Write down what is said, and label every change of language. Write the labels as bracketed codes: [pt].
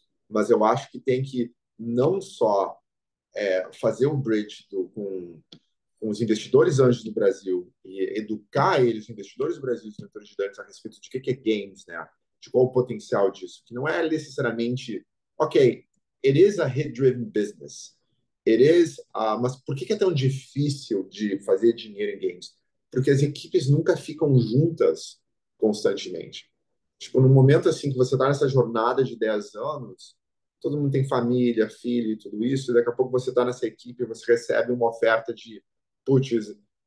[pt] Mas eu acho que tem que não só fazer um bridge com os investidores anjos do Brasil e educar eles, investidores do Brasil, os investidores gigantes, a respeito de que é games, né? De qual o potencial disso, que não é necessariamente, ok, [en] is a hit-driven business. [pt] Mas por que é tão difícil de fazer dinheiro em games? Porque as equipes nunca ficam juntas constantemente. Tipo, no momento assim que você está nessa jornada de 10 anos, todo mundo tem família, filho e tudo isso, e daqui a pouco você está nessa equipe e você recebe uma oferta de, putz,